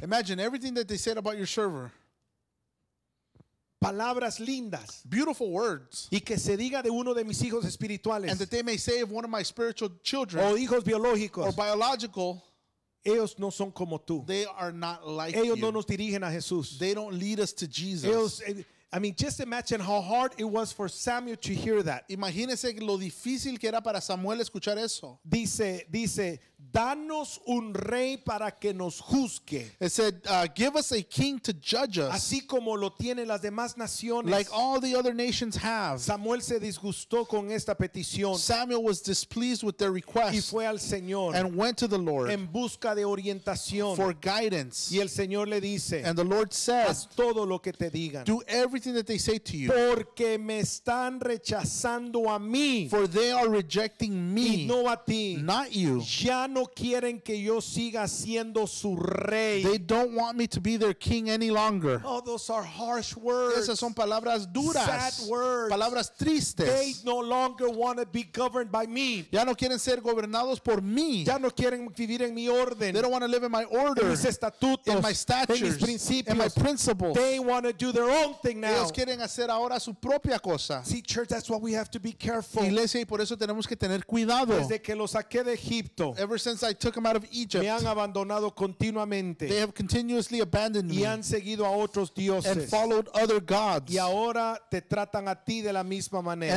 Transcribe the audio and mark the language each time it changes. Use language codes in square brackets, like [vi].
[en] Imagine everything that they said about your server. [es] Palabras lindas. [en] Beautiful words. [es] Y que se diga de uno de mis hijos espirituales. [en] And that they may say of one of my spiritual children. [es] O hijos biológicos. [en] Or biological. [es] Ellos no son como tú. [en] They are not like [es] ellos [en] you. [es] Ellos no nos dirigen a Jesús. [en] They don't lead us to Jesus. [es] Ellos, [en] I mean, just imagine how hard it was for Samuel to hear that. [es] Imagínese lo difícil que era para Samuel escuchar eso. Dice, danos un rey para que nos juzgue. [en] It said, give us a king to judge us. [es] Así como lo tienen las demás naciones. [en] Like all the other nations have. [es] Samuel se disgustó con esta petición. [en] Samuel was displeased with their request. [es] Y fue al Señor. [en] And went to the Lord. [es] En busca de orientación. [en] For guidance. [es] Y el Señor le dice. [en] And the Lord said. [es] Haz todo lo que te digan. [en] Do everything that they say to you. [es] Porque me están rechazando a mí. [en] For they are rejecting me. [es] Y no a ti. [en] Not you. [es] Ya no quieren que yo siga siendo su rey. [en] They don't want me to be their king any longer. Oh, those are harsh words. [es] Esas son palabras duras. [en] Sad words. [es] Palabras tristes. [en] They no longer want to be governed by me. [es] Ya no quieren ser gobernados por mí. Ya no quieren vivir en mi orden. [en] They don't want to live in my order. [es] En mis estatutos. [en] In my statutes. [es] En mis principios. [en] In my principles. They want to do their own thing now. [es] Ellos quieren hacer ahora su propia cosa. [en] See, church, that's why we have to be careful. [es] Iglesia, y por eso tenemos que tener cuidado. Desde que los saqué de Egipto. [en] Ever since since I took them out of Egypt. [es] Me han abandonado continuamente. [en] They have continuously abandoned [es] y [en] me. [es] Y han seguido a otros dioses. [en] And followed other gods. [es] Y ahora te tratan a ti de la misma manera.